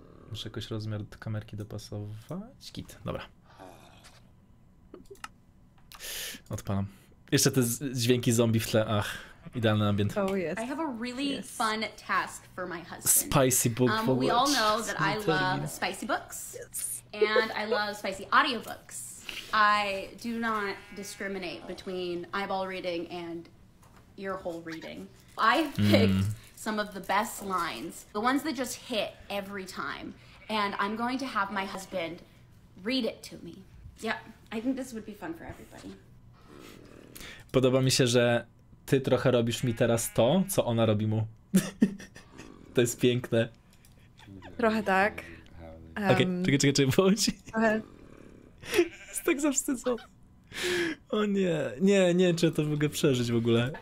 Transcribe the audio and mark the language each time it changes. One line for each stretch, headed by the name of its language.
Polish: Muszę jakoś rozmiar do kamerki dopasować. Git, dobra. Odpalam. Jeszcze te dźwięki zombie w tle, ach. Idealny ambient.
English: Oh, yes. I have a really yes. fun task for my husband. Spicy book for We all know that I love spicy books. Yes. And I love spicy audiobooks. I do not discriminate between eyeball reading and ear hole reading. I picked some of the best lines, the ones that just hit every time. And I'm going to have my husband read it to me. Yeah, I think this would be fun for everybody.
Polish: Podoba mi się, że ty trochę robisz mi teraz to, co ona robi mu. To jest piękne. Trochę tak. Okej, okay, czekaj, bądź. Jest tak zawstydzony. O nie, nie, nie, czy ja to mogę przeżyć w ogóle.